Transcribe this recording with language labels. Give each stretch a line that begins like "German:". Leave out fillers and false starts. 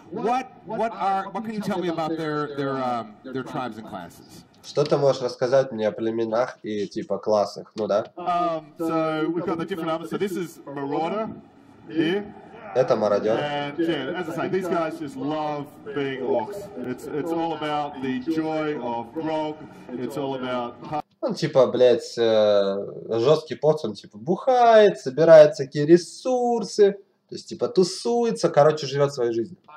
English: What can you tell me about their tribes and classes?
Russian: Что ты можешь рассказать мне о племенах и типа классах? Ну да.
English: So we've got the different armies. So this is Marauder here.
Russian: Это мародер.
English: And yeah, as I say, these guys just love being orcs. It's all about the joy of grog. It's all about.
Russian: Он типа, блядь, жесткий поц, он типа бухает, собирает всякие ресурсы, то есть типа тусуется, короче, живет своей жизнью.